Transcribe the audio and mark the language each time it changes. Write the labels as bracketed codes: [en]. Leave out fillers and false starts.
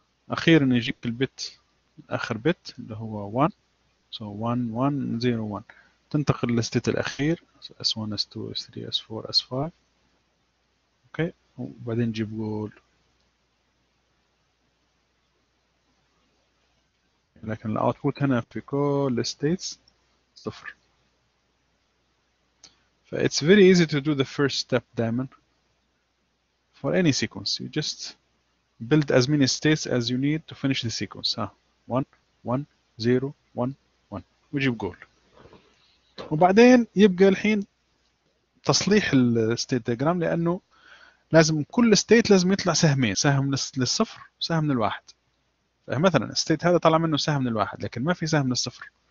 [ar] اخيرا يجيك البت اخر بت اللي هو 1 so 1 1 0 1 تنتقل لستيت الاخير so S1 S2 S3 S4 S5 اوكي وبعدين جيب جول لكن الاوتبوت هنا في كل الستيتس صفر. [en] ف it's very easy to do the first step diamond for any sequence. You just build as many states as you need to finish the sequence. [ar] ها 1 1 0 1 1 ويجيب جول. وبعدين يبقى الحين تصليح الستيت ديجرام، لانه لازم كل ستيت لازم يطلع سهمين، سهم للصفر وسهم للواحد. فمثلا الستيت هذا طلع منه سهم للواحد لكن ما في سهم للصفر.